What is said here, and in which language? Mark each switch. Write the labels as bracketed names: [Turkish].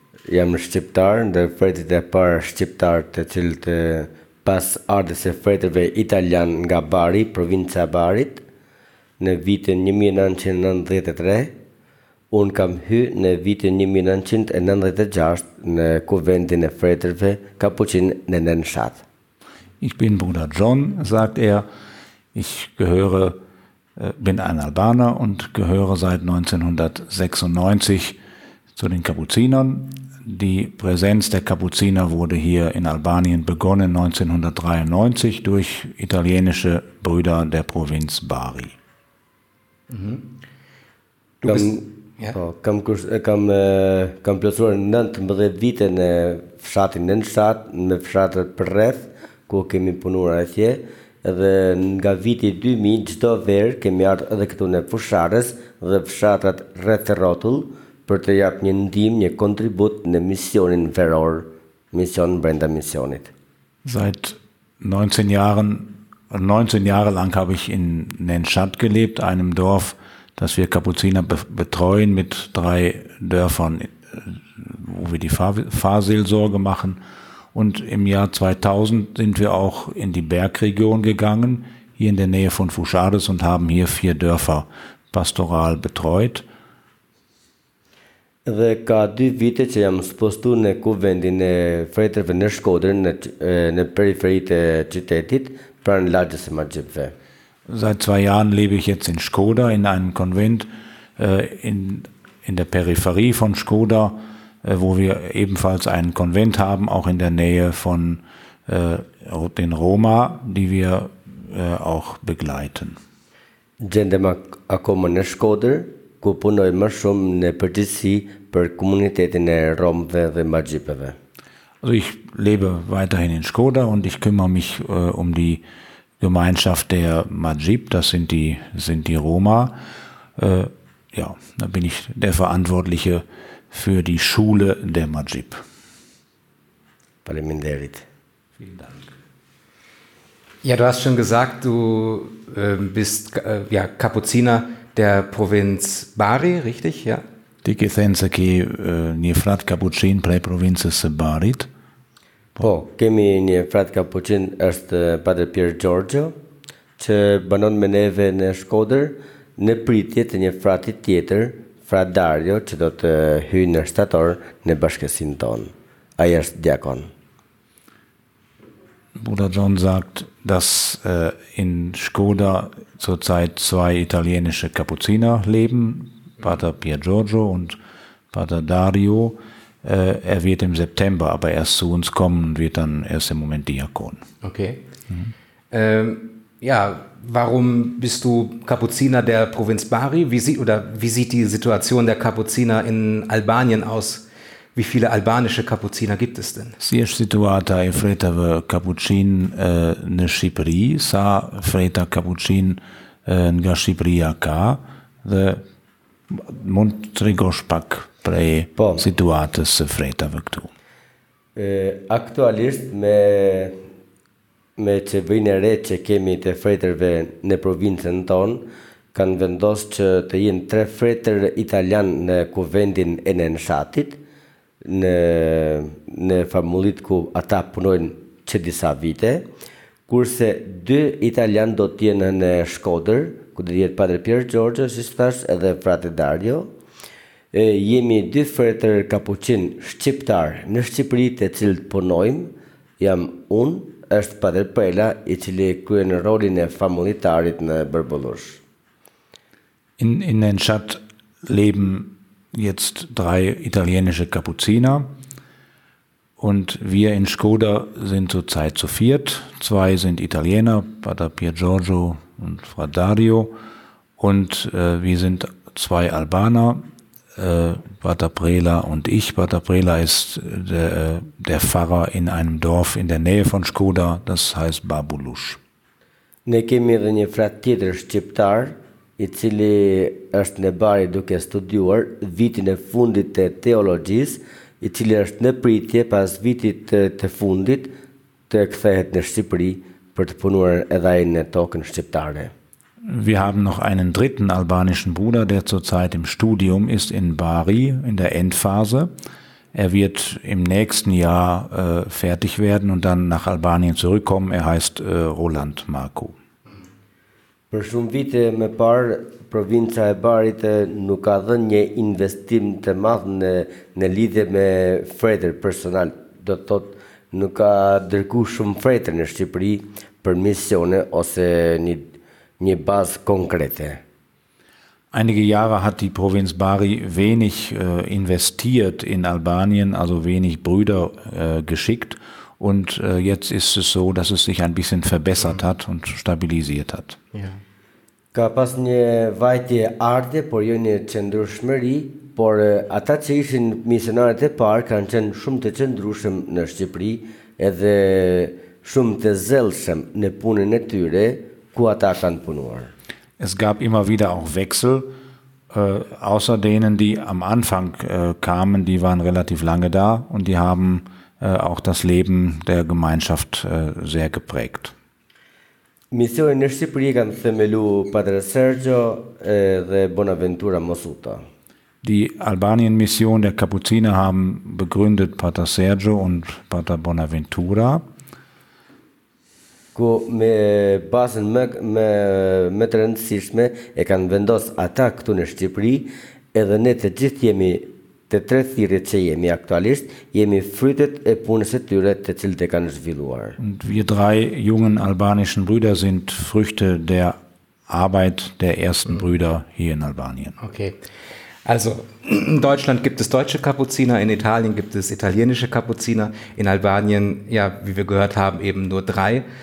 [Albanian] Jam shqiptar, dhe fretit e parë shqiptar të cilët pas ardhës së fretëve italian nga Bari, provincia e Barit, në vitin 1993, unë kam hyrë në vitin 1996 në kuvendin e fretëve kapuçin në Enschat. [German] Ich bin Bruder John, sagt er. Ich gehöre, bin ein Albaner und gehöre seit 1996 zu den Kapuzinern. Die Präsenz der Kapuziner wurde hier in Albanien begonnen 1993 durch italienische Brüder der Provinz Bari. [Albanian] Kam plotësuar 19 vite në fshatin Enschat, në fshatet përreth ku kemi punuar atje, dhe nga viti 2000 çdo verë kemi ardhur edhe këtu në Fushë Ares dhe fshatat rreth rrotull për të japë një ndihmë, një kontribut në misionin veror, mision brenda misionit. [German] Seit 19 Jahre lang habe ich in Nenshat gelebt, einem Dorf, das wir Kapuziner betreuen mit 3 Dörfern, wo wir die Fahrseelsorge machen. Und im Jahr 2000 sind wir auch in die Bergregion gegangen, hier in der Nähe von Fushë Ares und haben hier 4 Dörfer pastoral betreut. [Albanian] Dhe ka 2 vite që jam spostu në kuvendin e fretërve në Shkodër, në periferit e qytetit, pra në lagjës e Magjibve. [German] Seit 2 Jahren lebe ich jetzt in Shkoda, in einem Konvent, in der Peripherie von Shkoda, wo wir ebenfalls einen Konvent haben, auch in der Nähe von den Roma, die wir auch begleiten. [Albanian] Gjendem akoma në Shkodër, ku punoj më shumë në përgjithësi për komunitetin e Romëve dhe Magjipëve. [German] Also ich lebe weiterhin in Shkoda und ich kümmere mich um die Gemeinschaft der Magjip, das sind die Roma. Ja, da bin ich der Verantwortliche für die Schule der Magjip. [Albanian] Faleminderit. [German] Vielen Dank. Ja, du hast schon gesagt, du bist Kapuziner der Provinz Bari, richtig? Ja. [Albanian] Dike thënë se ki një frat kapuçin prej provincës së Barit. Po, kemi një frat kapuçin, është Padre Pier Giorgio, që banon me neve në Shkodër, në pritje të një frati tjetër, frat Dario, që do të hyjë në shtator në bashkësinë tonë. Ai është diakon. [German] Bruder John sagt, dass in Shkoda zurzeit 2 italienische Kapuziner leben, Pater Pier Giorgio und Pater Dario. Er wird im September aber erst zu uns kommen und wird dann erst im Moment Diakon. Okay. Ja, warum bist du Kapuziner der Provinz Bari? Wie sieht die Situation der Kapuziner in Albanien aus? Wie viele albanische Kapuziner gibt es denn? [Albanian] Si është situata e fretave kapucin në Shqipëri, sa freta kapucin nga Shqipëria ka, dhe mund të rregosh pak prej situatës së fretave këtu. Aktualisht me që vëjnë e re që kemi të fretërve në provincën tonë, kanë vendosë që të jenë tre fretër italian në kuvendin e nënshatit, në familit ku ata punojnë që disa vite, kurse dy italian do t'jenë në Shkodër, ku dhe jetë Padre Pier Giorgio, si së thash, edhe frate Dario. Jemi dy fretër kapucin shqiptar në Shqipëri të cilët punojmë, jam unë, është Padre Pela, i cili kryen rolin e familitarit në Bërbullush. [German] In den Stadt leben jetzt drei italienische Kapuziner und wir in Skoda sind zurzeit zu viert. Zwei sind Italiener, Pater Pier Giorgio und Fra Dario und wir sind zwei Albaner, Pater Prela und ich. Pater Prela ist der Pfarrer in einem Dorf in der Nähe von Skoda, das heißt Babulush. [Albanian] Ne kemi edhe një frat tjetër shqiptar, i cili është në Bari duke studiuar vitin e fundit të teologjisë, i cili është në pritje pas vitit të fundit të kthehet në Shqipëri për të punuar edhe ai në tokën shqiptare. [German] Wir haben noch einen dritten albanischen Bruder, der zurzeit im Studium ist in Bari in der Endphase. Er wird im nächsten Jahr fertig werden und dann nach Albanien zurückkommen. Er heißt Roland Marco. [Albanian] Për shumë vite më parë, provinca e Barit nuk ka dhënë një investim të madh në lidhje me fretër personal. Do të thotë, nuk ka dërguar shumë fretër në Shqipëri për misione ose një bazë konkrete. [German] Einige Jahre hat die Provinz Bari wenig investiert in Albanien, also wenig Brüder geschickt. Und jetzt ist es so, dass es sich ein bisschen verbessert hat und stabilisiert hat. Ja. [Albanian] Ka pas një vajtje ardhje, por jo një qëndrueshmëri, por ata që ishin misionarët e parë kanë qenë shumë të qëndrueshëm në Shqipëri, edhe shumë të zellshëm në punën e tyre ku ata kanë punuar. [German] Es gab immer wieder auch Wechsel. Außer denen, die am Anfang kamen, die waren relativ lange da und die haben auch das Leben der Gemeinschaft sehr geprägt. [Albanian] Misioni në Shqipëri kanë themeluar Padre Sergio dhe Bonaventura Mosuta. [German] Die Albanien-Mission der Kapuziner haben begründet Pater Sergio und Pater Bonaventura. [Albanian] Ku me bazën më të rëndësishme e kanë vendosur ata këtu në Shqipëri, edhe ne të gjithë jemi të tre thirrjet që jemi aktualisht, jemi frytet e punës së tyre të cilët e kanë zhvilluar. [German] Und wir drei jungen albanischen Brüder sind Früchte der Arbeit der ersten Brüder hier in Albanien. Okay. Also, in Deutschland gibt es deutsche Kapuziner, in Italien gibt es italienische Kapuziner, in Albanien, ja, wie wir gehört haben, eben nur drei.